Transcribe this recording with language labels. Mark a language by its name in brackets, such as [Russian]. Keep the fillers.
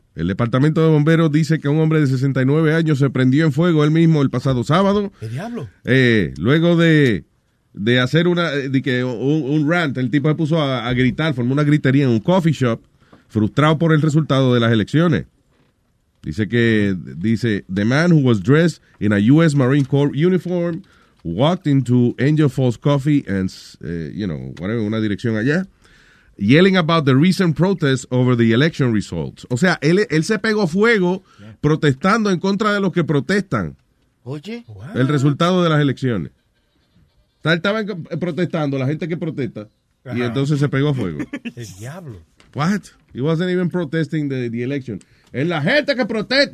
[Spanish] El departamento de bomberos dice que un hombre de 69 años se prendió en fuego él mismo el pasado sábado. ¿Qué diablo? Eh, luego de, de, hacer una, de que un, un, rant, el tipo se puso a, a, gritar, formó una gritería en un coffee shop, frustrado por el resultado de las elecciones. Dice que, dice, [English] the man who was dressed in a U.S. Marine Corps uniform walked into Angel Falls Coffee and, uh, you know, whatever, [Spanish] una dirección allá [English] yelling about the recent protests over the election results. [Spanish] O sea, él, él se pegó fuego yeah. protestando en contra de los que protestan. Oye, What? el resultado de las elecciones. Él estaba protestando, la gente que protesta, Ajá. y entonces se pegó fuego. el diablo. [English] What? He wasn't even protesting the, the election. [Spanish] Es la gente que protesta.